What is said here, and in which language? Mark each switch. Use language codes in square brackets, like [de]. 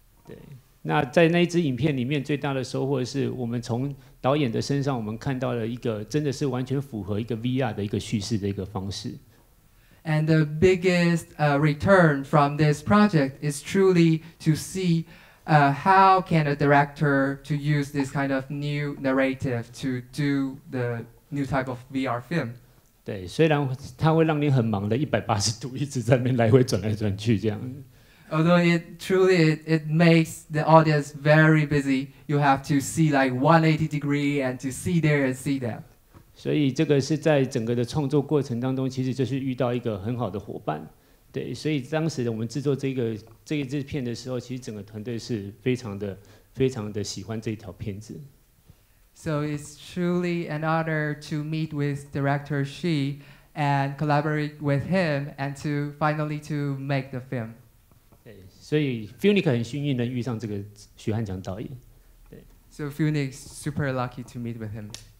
[zh] 对，那在那一支影片里面最大的收获是我们从导演的身上我们看到了一个真的是完全符合一个 VR 的一个叙事的一个方式。 [en] And the biggest return from this project is truly to see how can a director to use this kind of new narrative to do the new type of VR film. [zh] 对，虽然它会让你很忙的180度一直在那边来回转来转去这样。 [en] Although it truly it makes the audience very busy, you have to see like 180 degree and to see there and see that. [zh] 所以这个是在整个的创作过程当中，其实就是遇到一个很好的伙伴，对。所以当时我们制作这一支片的时候，其实整个团队是非常的喜欢这一条片子。 [en] So it's truly an honor to meet with director Xi and collaborate with him and to finally to make the film. [zh] 对，所以 Funique 很幸运能遇上这个许汉强导演。对。 [en] So Funique super lucky to meet with him.